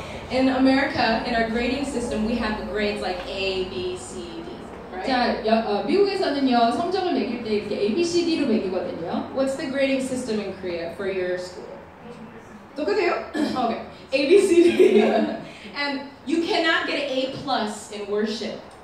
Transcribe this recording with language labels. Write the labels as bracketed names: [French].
[English] In America, in our grading system, we have the grades like A, B, C. [Korean] 자, 미국에서는요 성적을 매길 때 이렇게 A, B, C, D로 매기거든요. [English] What's the grading system in Korea for your school? [Korean] 똑같아요. [English] Okay. A, B, C, D. And you cannot get an A plus in worship.